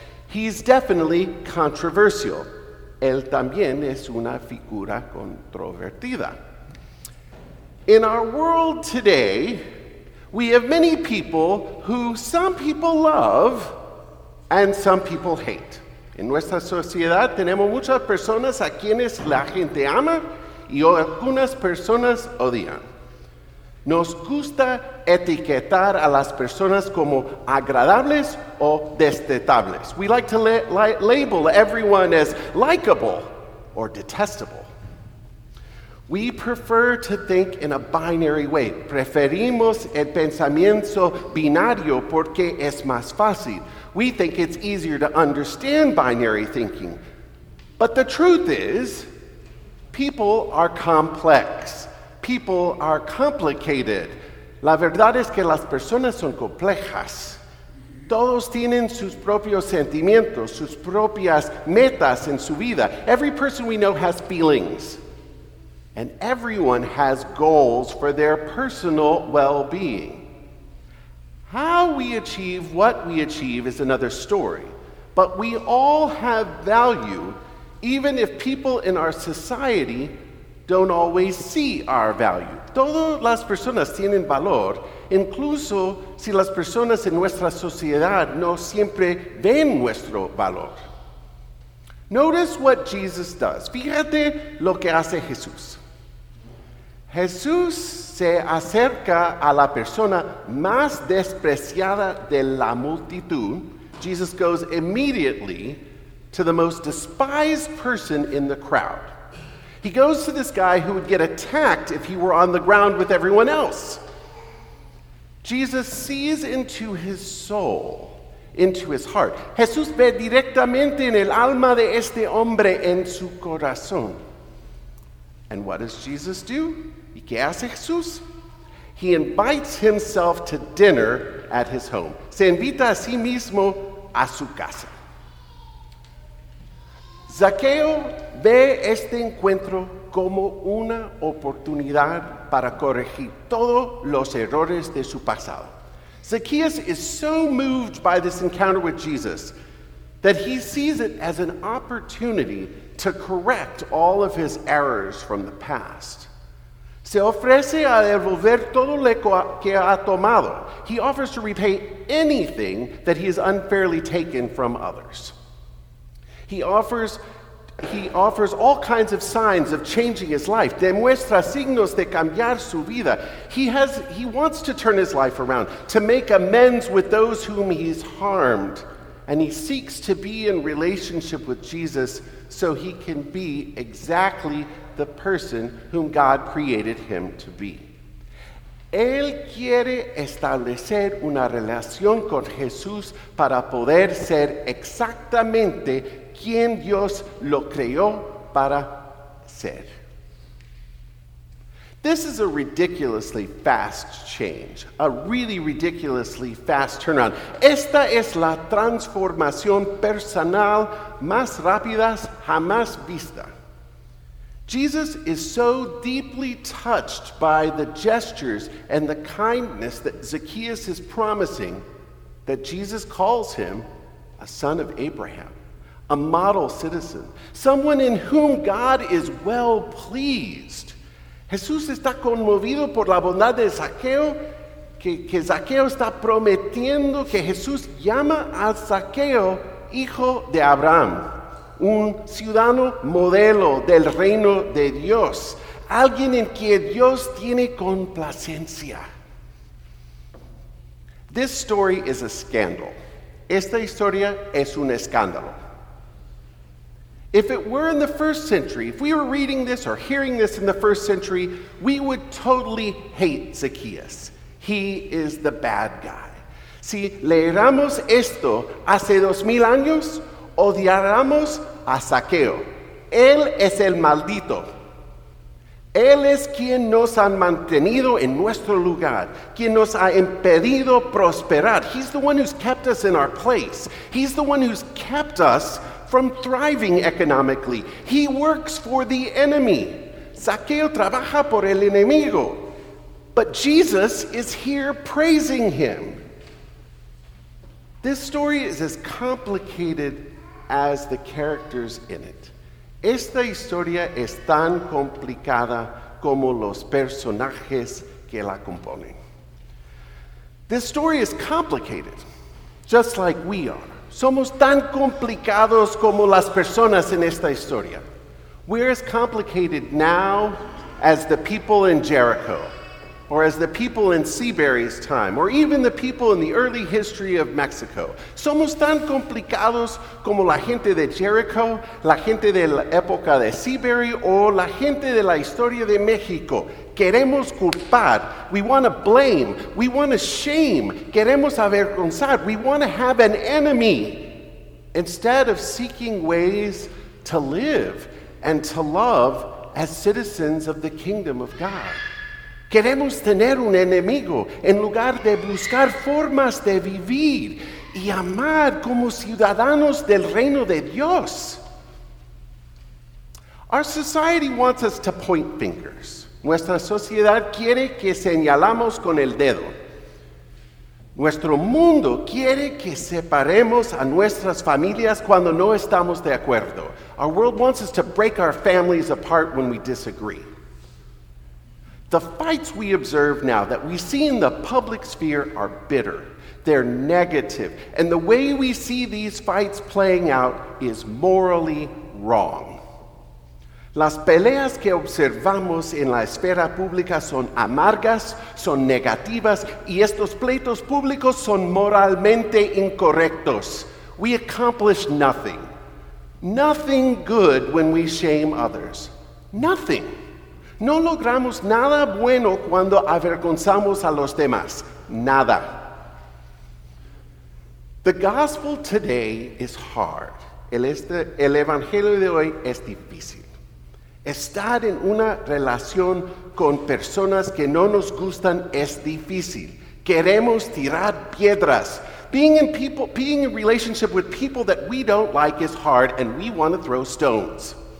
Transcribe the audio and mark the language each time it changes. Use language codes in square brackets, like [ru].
[en] He's definitely controversial. [es] Él también es una figura controvertida. [en] In our world today, we have many people who some people love and some people hate. [es] En nuestra sociedad tenemos muchas personas a quienes la gente ama y algunas personas odian. Nos gusta etiquetar a las personas como agradables o detestables. [en] We like to label everyone as likable or detestable. We prefer to think in a binary way. [es] Preferimos el pensamiento binario porque es más fácil. [en] We think it's easier to understand binary thinking. But the truth is, people are complex. People are complicated. [es] La verdad es que las personas son complejas. Todos tienen sus propios sentimientos, sus propias metas en su vida. [en] Every person we know has feelings. And everyone has goals for their personal well-being. How we achieve what we achieve is another story. But we all have value, even if people in our society don't always see our value. [es] Todas las personas tienen valor, incluso si las personas en nuestra sociedad no siempre ven nuestro valor. [en] Notice what Jesus does. [es] Fíjate lo que hace Jesús. Jesús se acerca a la persona más despreciada de la multitud. [en] Jesus goes immediately to the most despised person in the crowd. He goes to this guy who would get attacked if he were on the ground with everyone else. Jesus sees into his soul, into his heart. [es] Jesús ve directamente en el alma de este hombre, en su corazón. [en] And what does Jesus do? [es] ¿Y qué hace Jesús? [en] He invites himself to dinner at his home. [es] Se invita a sí mismo a su casa. Zaqueo ve este encuentro como una oportunidad para corregir todos los errores de su pasado. [en] Zacchaeus is so moved by this encounter with Jesus that he sees it as an opportunity to correct all of his errors from the past. [es] Se ofrece a devolver todo lo que ha tomado. [en] He offers to repay anything that he has unfairly taken from others. He offers all kinds of signs of changing his life. [es] Demuestra signos de cambiar su vida. [en] He wants to turn his life around, to make amends with those whom he's harmed. And he seeks to be in relationship with Jesus so he can be exactly the person whom God created him to be. [es] Él quiere establecer una relación con Jesús para poder ser exactamente quien Dios lo creó para ser. [en] This is a ridiculously fast change, a really ridiculously fast turnaround. [es] Esta es la transformación personal más rápida jamás vista. [en] Jesus is so deeply touched by the gestures and the kindness that Zacchaeus is promising that Jesus calls him a son of Abraham, a model citizen, someone in whom God is well pleased. [es] Jesús está conmovido por la bondad de Zaqueo, que Zaqueo está prometiendo que Jesús llama a Zaqueo hijo de Abraham, un ciudadano modelo del reino de Dios, alguien en quien Dios tiene complacencia. [en] This story is a scandal. [es] Esta historia es un escándalo. [en] If it were in the first century, if we were reading this or hearing this in the first century, we would totally hate Zacchaeus. He is the bad guy. [es] Si leeramos esto hace 2,000 años, odiaramos a Zaqueo. Él es el maldito. Él es quien nos ha mantenido en nuestro lugar, quien nos ha impedido prosperar. [en] He's the one who's kept us in our place. He's the one who's kept us from thriving economically. He works for the enemy. [es] Zaqueo trabaja por el enemigo. [en] But Jesus is here praising him. This story is as complicated as the characters in it. [es] Esta historia es tan complicada como los personajes que la componen. [en] This story is complicated, just like we are. [es] Somos tan complicados como las personas en esta historia. [en] We're as complicated now as the people in Jericho, or as the people in Seabury's time, or even the people in the early history of Mexico. [es] Somos tan complicados como la gente de Jericho, la gente de la época de Seabury, o la gente de la historia de México. Queremos culpar. [en] We want to blame. We want to shame. [es] Queremos avergonzar. [en] We want to have an enemy instead of seeking ways to live and to love as citizens of the kingdom of God. [es] Queremos tener un enemigo en lugar de buscar formas de vivir y amar como ciudadanos del reino de Dios. [en] Our society wants us to point fingers. [es] Nuestra sociedad quiere que señalamos con el dedo. Nuestro mundo quiere que separemos a nuestras familias cuando no estamos de acuerdo. [en] Our world wants us to break our families apart when we disagree. The fights we observe now that we see in the public sphere are bitter. They're negative. And the way we see these fights playing out is morally wrong. [es] Las peleas que observamos en la esfera pública son amargas, son negativas, y estos pleitos públicos son moralmente incorrectos. [en] We accomplish nothing. Nothing good when we shame others. Nothing. [es] No logramos nada bueno cuando avergonzamos a los demás. Nada. [en] The gospel today is hard. [es] El evangelio de hoy es difícil. Estar en una relación con personas que no nos gustan es difícil. Queremos tirar piedras. [en] Being in relationship with people that we don't like is hard, and we want to throw stones.